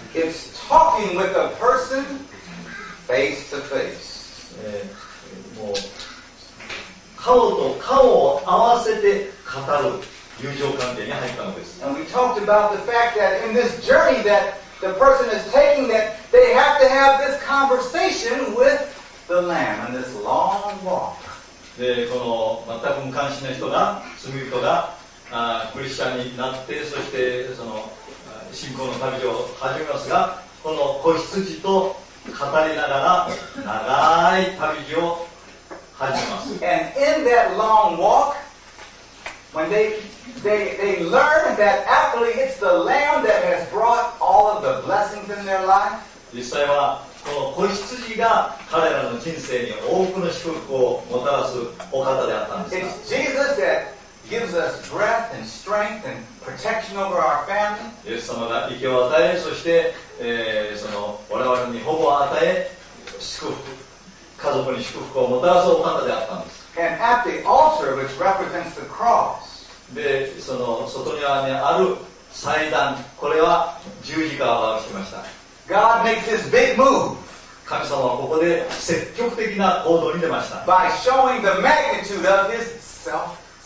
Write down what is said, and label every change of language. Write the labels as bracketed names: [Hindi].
[English] It's talking with a person face to face. [Japanese] もう顔と顔を合わせて語る友情関係に入ったのです。 [English] And we talked about the fact that in this journey that the person is taking that they have to have this conversation with the Lamb on this long walk. [Japanese] で、この全く無関心な人が、罪人がクリスチャンになってそしてその信仰の旅を始めますがこの子羊と語りながら長い旅路を始めます。 [English] And in that long walk when they learn that actually it's the Lamb that has brought all of the blessings in their life [Japanese] 実際はこの子羊が彼らの人生に多くの祝福をもたらすお方であったんですが [English] It's Jesus thatGives us breath and strength and protection over our family. [Japanese] イエス様が息を与え、そして、その我々に保護を与え、祝福、家族に祝福をもたらすお方であったんです。 [English] And at the altar, which represents the cross. [Japanese] で、その外にはね、ある祭壇、これは十字架を表していました。 [English] God makes this big move. [Japanese] 神様はここで積極的な行動に出ました。 [English] By showing the magnitude of His self.